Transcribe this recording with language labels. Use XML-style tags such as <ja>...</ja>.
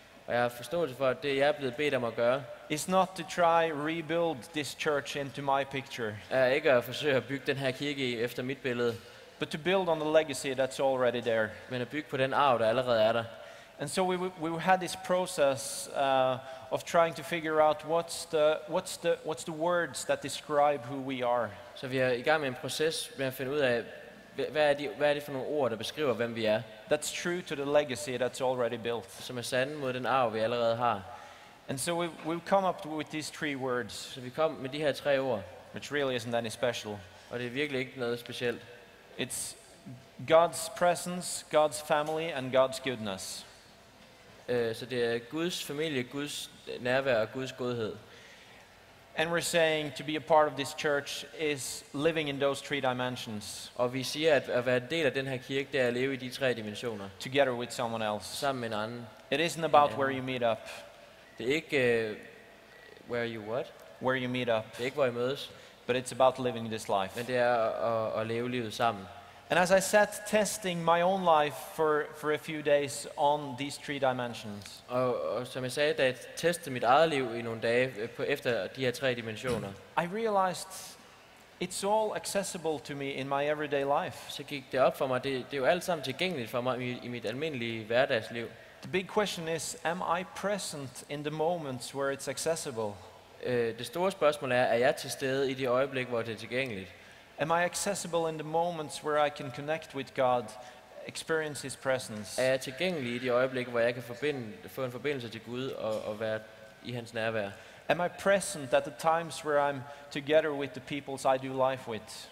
<da>Og jeg har forståelse for, at det jeg er blevet bedt om at gøre.</da> <en>It's not to try rebuild this church into my picture.</en> <da>Er ikke at forsøge at bygge den her kirke efter mit billede.</da> <en>But to build on the legacy that's already there.</en> <da>Men at bygge på den arv, der allerede er der.</da> <en>And so we had this process of trying to figure out what's the words that describe who we are.</en> <da>Så vi er i gang med en proces med at finde ud af, hvad er det for nogle ord, der beskriver hvem vi er.</da> <en>That's true to the legacy that's already built.</en> <da>Som er sande mod den arv, vi allerede har.</da> <en>And so we've come up with these three words.</en> <da>Så vi kom med de her tre ord.</da> <en>Which really isn't any special.</en> <da>Og det er virkelig ikke noget specielt.</da> <en>It's God's presence, God's family, and God's goodness.</en> <da>Så det er Guds familie, Guds nærvær og Guds godhed.</da> <en>And we're saying to be a part of this church is living in those three dimensions.</en> <da>Og vi siger at være en del af den her kirke, det er at leve i de tre dimensioner.</da> <en>Together with someone else.</en> <da>Sammen med en anden.</da> <en>It isn't about where you meet up.</en> <da>Det er ikke</da> <en>where you what? Where you meet up.</en> <da>Det er ikke hvor I mødes.</da> <en>But it's about living this life.</en> <da>Men det er at leve livet sammen.</da> <en>And as I sat testing my own life for a few days on these three dimensions.</en> <da>Og som jeg sagde, da jeg testede mit eget liv i nogle dage efter de her tre dimensioner.</da> <en>I realized it's all accessible to me in my everyday life.</en> <da>Så gik det op for mig, det er jo alt sammen tilgængeligt for mig i mit almindelige hverdagsliv.</da> <en>The big question is, am I present in the moments where it's accessible?</en> <da>Det store spørgsmål er jeg til stede i de øjeblik, hvor det er tilgængeligt?</da> <en>Am I accessible in the moments where I can connect with God, experience His presence?</en> <da>Er jeg tilgængelig i de øjeblik, hvor jeg kan få en forbindelse til Gud og være i hans nærvær?</da> <en>Am I present at the times where I'm together with the peoples I do life with?</en>